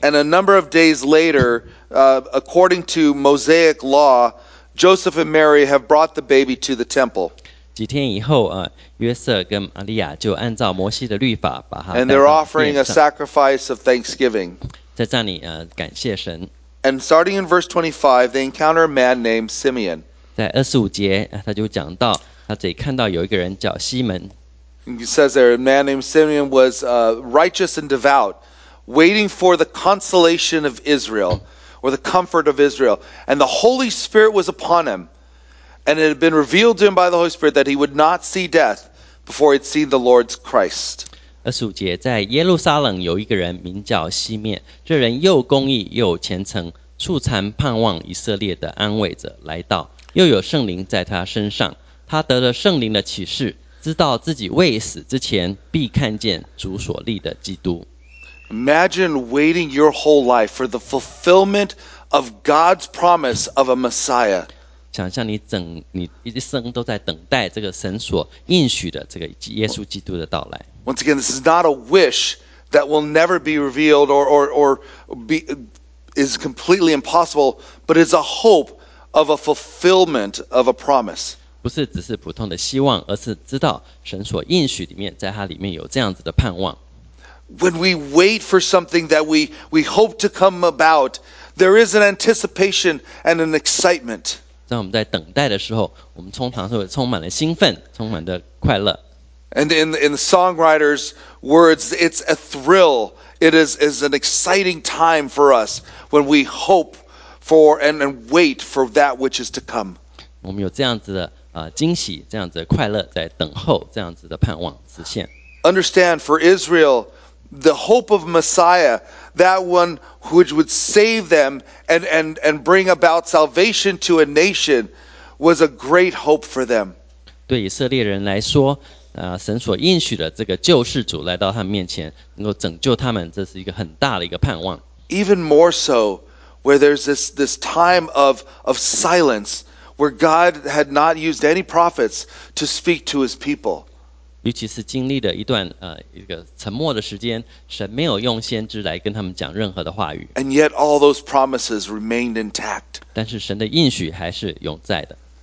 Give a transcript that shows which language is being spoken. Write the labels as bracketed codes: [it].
[en] And a number of days later, according to Mosaic law, Joseph and Mary have brought the baby to the temple. [zh] 几天以后，约瑟跟玛利亚就按照摩西的律法把他。 [en] And they're offering a sacrifice of thanksgiving. [zh] 在这里，感谢神。 [en] And starting in verse 25, they encounter a man named Simeon. [zh] 在二十五节，他就讲到，他这里看到有一个人叫西门。 [en] He says there a man named Simeon was righteous and devout, waiting for the consolation of Israel, or the comfort of Israel, and the Holy Spirit was upon him, and it had been revealed to him by the Holy Spirit that he would not see death before he'd seen the Lord's Christ. [zh] 二十五节，在耶路撒冷有一个人名叫西面，这人又公义又虔诚，素常盼望以色列的安慰者来到，又有圣灵在他身上，他得了圣灵的启示，知道自己未死之前必看见主所立的基督。 [en] Imagine waiting your whole life for the fulfillment of God's promise of a Messiah. [zh] 想象你一生都在等待这个神所应许的这个耶稣基督的到来。 [en] Once again, this is not a wish that will never be revealed or be, is completely impossible, but it's a hope of a fulfillment of a promise. [zh] 不是只是普通的希望，而是知道神所应许里面，在他里面有这样子的盼望。 [en] When we wait for something that we hope to come about, there is an anticipation and an excitement. [zh] 当我们在等待的时候，我们通常是充满了兴奋，充满了快乐。 [en] And in the songwriter's words, it's a thrill. It is an exciting time for us when we hope for and wait for that which is to come. [zh] 我们有这样子的惊喜，这样子的快乐，在等候，这样子的盼望实现。 [en] Understand, for Israel, the hope of Messiah, that one which would save them and bring about salvation to a nation, was a great hope for them. [zh] 对以色列人来说。神所应许的这个救世主来到他们面前，能够拯救他们，这是一个很大的一个盼望。 [en] Even more so, where there's this time of silence, where God had not used any prophets to speak to His people. [zh] 尤其是经历了一段一个沉默的时间，神没有用先知来跟他们讲任何的话语。 [en] And yet all those promises remained intact. [zh] 但是神的应许还是永在的。